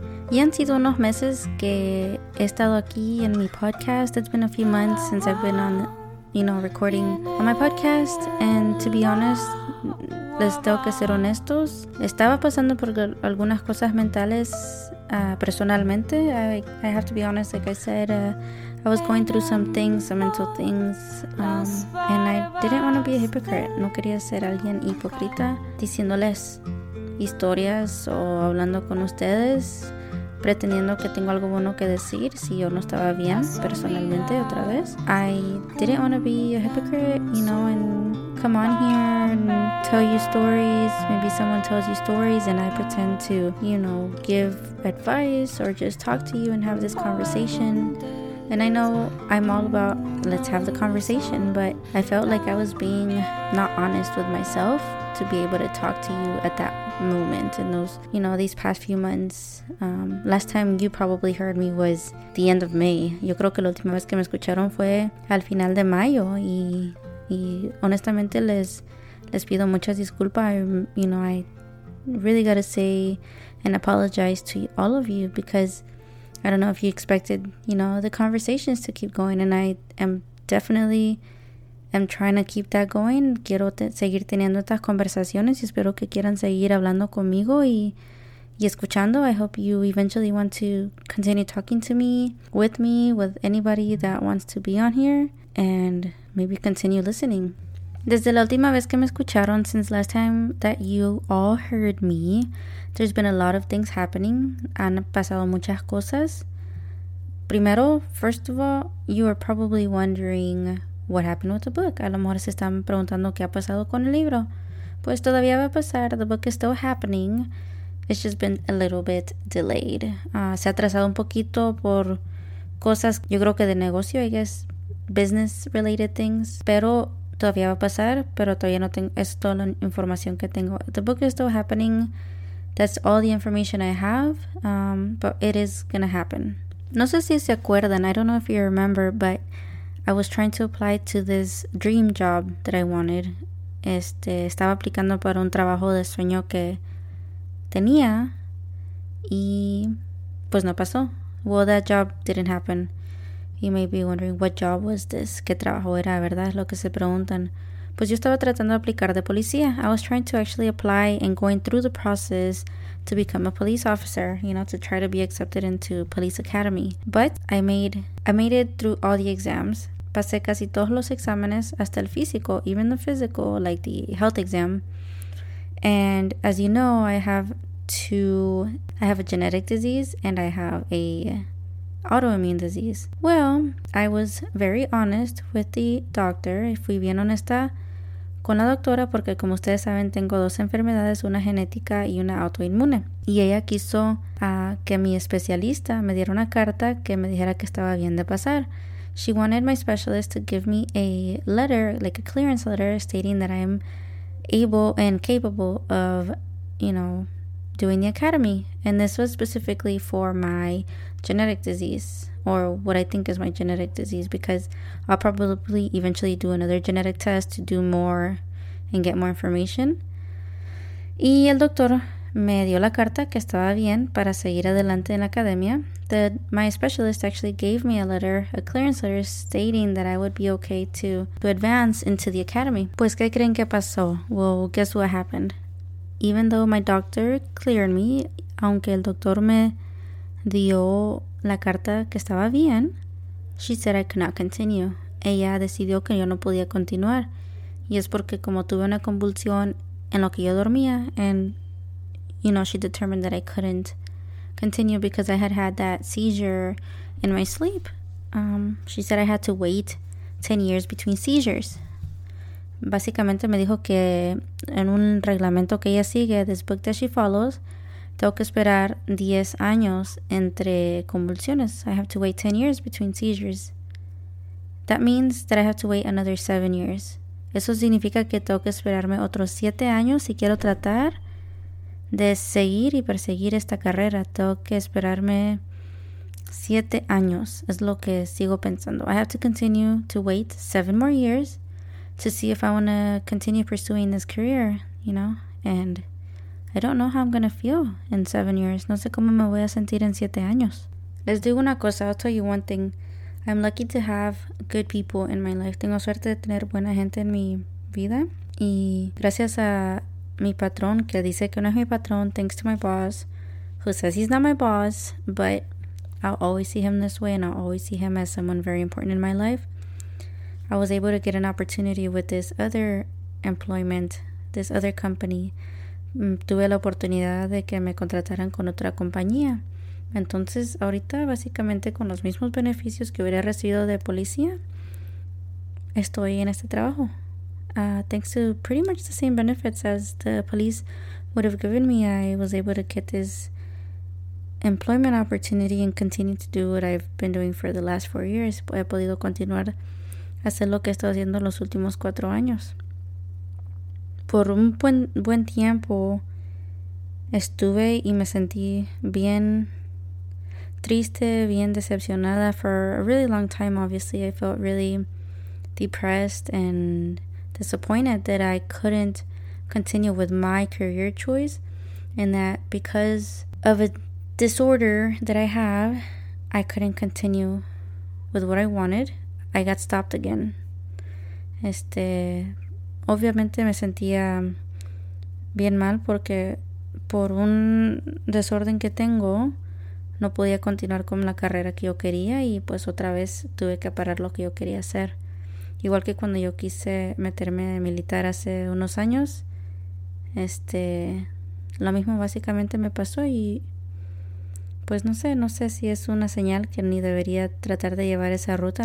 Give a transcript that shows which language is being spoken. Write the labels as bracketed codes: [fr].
[es] Y han sido unos meses que he estado aquí en mi podcast. [en] It's been a few months since I've been on, you know, recording on my podcast. And to be honest, [es] les tengo que ser honestos. Estaba pasando por algunas cosas mentales personalmente. [en] I have to be honest, like I said, I was going through some things, some mental things. And I didn't want to be a hypocrite. [es] No quería ser alguien hipócrita diciéndoles historias o hablando con ustedes, pretendiendo que tengo algo bueno que decir si yo no estaba bien personalmente otra vez. [en] I didn't want to be a hypocrite, you know, and come on here and tell you stories. Maybe someone tells you stories and I pretend to, you know, give advice or just talk to you and have this conversation. And I know I'm all about let's have the conversation, but I felt like I was being not honest with myself to be able to talk to you at that moment in those, you know, these past few months. Last time you probably heard me was the end of May. [es] Yo creo que la última vez que me escucharon fue al final de mayo, y honestamente les pido muchas disculpas. [en] I really gotta say and apologize to all of you, because I don't know if you expected, you know, the conversations to keep going, and I am definitely I'm trying to keep that going. [es] Quiero seguir teniendo estas conversaciones y espero que quieran seguir hablando conmigo y escuchando. [en] I hope you eventually want to continue talking to me, with me, with anybody that wants to be on here, and maybe continue listening. [es] Desde la última vez que me escucharon, [en] since last time that you all heard me, there's been a lot of things happening. [es] Han pasado muchas cosas. Primero, [en] first of all, you are probably wondering what happened with the book. [es] A lo mejor se están preguntando qué ha pasado con el libro. Pues todavía va a pasar. [en] The book is still happening. It's just been a little bit delayed. [es] Se ha atrasado un poquito por cosas, yo creo que de negocio, [en] I guess, business related things. [es] Pero todavía va a pasar, pero todavía no tengo, es toda la información que tengo. [en] The book is still happening. That's all the information I have. But it is gonna happen. [es] No sé si se acuerdan, [en] I don't know if you remember, but I was trying to apply to this dream job that I wanted. [es] Estaba aplicando para un trabajo de sueño que tenía y pues no pasó. [en] Well, that job didn't happen. You may be wondering, what job was this? [es] ¿Qué trabajo era, verdad? Es lo que se preguntan. Pues yo estaba tratando de aplicar de policía. [en] I was trying to actually apply and going through the process to become a police officer, you know, to try to be accepted into police academy. But I made it through all the exams. [es] Pasé casi todos los exámenes, hasta el físico, [en] even the physical, like the health exam. And as you know, I have a genetic disease and I have a autoimmune disease. Well, I was very honest with the doctor. [es] Fui bien honesta con la doctora porque, como ustedes saben, tengo dos enfermedades, una genética y una autoinmune. Y ella quiso que mi especialista me diera una carta que me dijera que estaba bien de pasar. [en] She wanted my specialist to give me a letter, like a clearance letter, stating that I'm able and capable of, you know, doing the academy. And this was specifically for my genetic disease, or what I think is my genetic disease, because I'll probably eventually do another genetic test to do more and get more information. [es] Y el doctor me dio la carta que estaba bien para seguir adelante en la academia. [en] My specialist actually gave me a letter, a clearance letter, stating that I would be okay to advance into the academy. [es] Pues, ¿qué creen que pasó? [en] Well, guess what happened? Even though my doctor cleared me, [es] aunque el doctor me dio la carta que estaba bien, [en] she said I could not continue. [es] Ella decidió que yo no podía continuar. Y es porque como tuve una convulsión en lo que yo dormía, [en] and, you know, she determined that I couldn't continue because I had that seizure in my sleep. She said I had to wait 10 years between seizures. [es] Básicamente me dijo que en un reglamento que ella sigue, [en] this book that she follows, [es] tengo que esperar 10 años entre convulsiones. [en] I have to wait 10 years between seizures. That means that I have to wait another 7 years. [es] Eso significa que tengo que esperarme otros 7 años si quiero tratar de seguir y perseguir esta carrera. Tengo que esperarme 7 años. Es lo que sigo pensando. [en] I have to continue to wait 7 more years to see if I want to continue pursuing this career, you know? And I don't know how I'm going to feel in 7 years. [es] No sé cómo me voy a sentir en 7 años. Les digo una cosa. [en] I'll tell you one thing. I'm lucky to have good people in my life. [es] Tengo suerte de tener buena gente en mi vida. Y gracias a mi patrón, que dice que no es mi patrón. [en] Thanks to my boss, who says he's not my boss. But I'll always see him this way. And I'll always see him as someone very important in my life. I was able to get an opportunity with this other employment, this other company. [es] Tuve la oportunidad de que me contrataran con otra compañía. Entonces, ahorita, básicamente, con los mismos beneficios que hubiera recibido de policía, estoy en este trabajo. [en] Thanks to pretty much the same benefits as the police would have given me, I was able to get this employment opportunity and continue to do what I've been doing for the last 4 years. [es] He podido continuar hacer lo que he estado haciendo los últimos 4 años. Por un buen tiempo, estuve y me sentí bien triste, bien decepcionada [en] for a really long time. Obviously, I felt really depressed and disappointed that I couldn't continue with my career choice, and that because of a disorder that I have, I couldn't continue with what I wanted. I got stopped again. [es] Obviamente me sentía bien mal porque por un desorden que tengo no podía continuar con la carrera que yo quería y pues otra vez tuve que parar lo que yo quería hacer. Igual que cuando yo quise meterme de militar hace unos años, lo mismo básicamente me pasó y pues no sé si es una señal que ni debería tratar de llevar esa ruta.